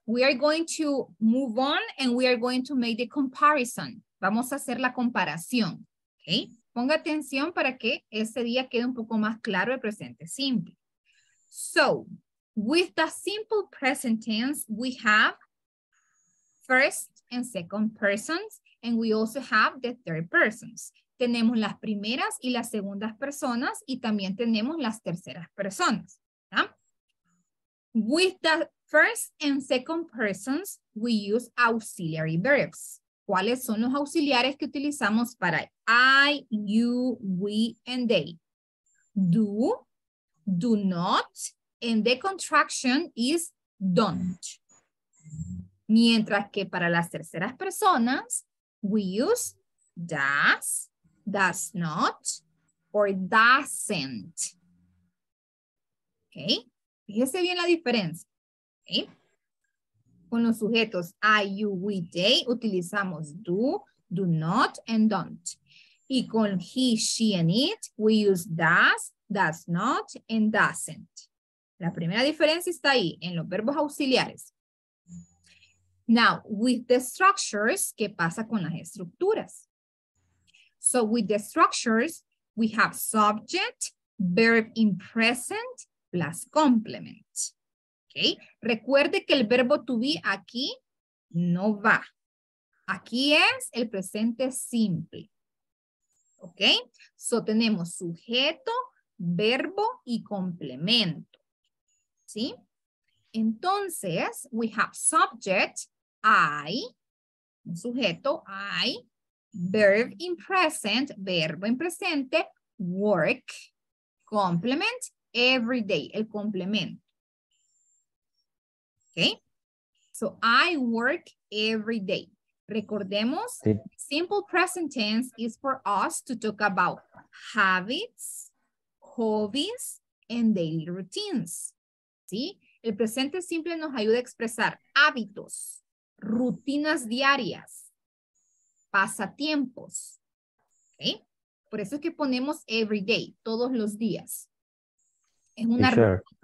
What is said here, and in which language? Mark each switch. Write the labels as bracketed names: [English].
[English] We are going to move on and we are going to make the comparison. [Spanish] Vamos a hacer la comparación, okay? Ponga atención para que ese día quede un poco más claro el presente simple. [English] So, with the simple present tense, we have first and second persons, and we also have the third persons. [Spanish] Tenemos las primeras y las segundas personas, y también tenemos las terceras personas. ¿Ya? [English] With the first and second persons, we use auxiliary verbs. [Spanish] ¿Cuáles son los auxiliares que utilizamos para I, you, we, and they? [English] Do, do not, and the contraction is don't. [Spanish] Mientras que para las terceras personas, [English] we use does not, or doesn't. [Spanish] Okay, fíjese bien la diferencia. Okay. Con los sujetos I, you, we, they, utilizamos [English] do, do not, and don't. [Spanish] Y con [English] he, she, and it, we use does not, and doesn't. [Spanish] La primera diferencia está ahí, en los verbos auxiliares. [English] Now, with the structures, [Spanish] ¿qué pasa con las estructuras? [English] So, with the structures, we have subject, verb in present, plus complement. Okay. [Spanish] Recuerde que el verbo to be aquí no va. Aquí es el presente simple. Ok. So tenemos sujeto, verbo y complemento. ¿Sí? [English] Entonces, we have subject, I, sujeto, I, verb in present, [Spanish] verbo en presente, [English] work, complement, every day, [Spanish] el complemento. [English] Okay, so I work every day. Recordemos, simple present tense is for us to talk about habits, hobbies, and daily routines. [Spanish] ¿Sí? El presente simple nos ayuda a expresar hábitos, rutinas diarias, pasatiempos. Okay? Por eso es que ponemos [English] every day, [Spanish] todos los días. Es una rutina.